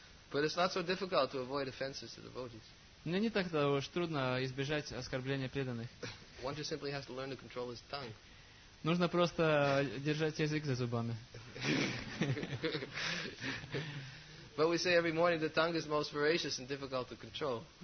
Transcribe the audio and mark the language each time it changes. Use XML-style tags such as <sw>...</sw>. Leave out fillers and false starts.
<en>But it's not so difficult to avoid offenses to devotees.</en> <ru>Но не так-то уж трудно избежать оскорбления преданных.</ru> <en>One just simply has to learn to control his tongue.</en> <ru>Нужно просто держать язык за зубами.</ru> <en>But we say every morning the tongue is most voracious and difficult to control.</en>